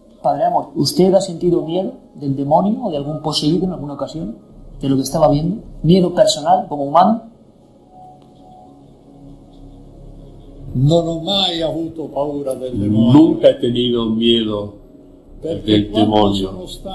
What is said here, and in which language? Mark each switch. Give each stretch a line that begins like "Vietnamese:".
Spanish: Padre Amor, ¿usted ha sentido miedo del demonio o de algún poseído en alguna ocasión? ¿De lo que estaba viendo? ¿Miedo personal, como humano?
Italian: No lo mai avuto paura del demonio.
Spanish: Nunca he tenido miedo del demonio.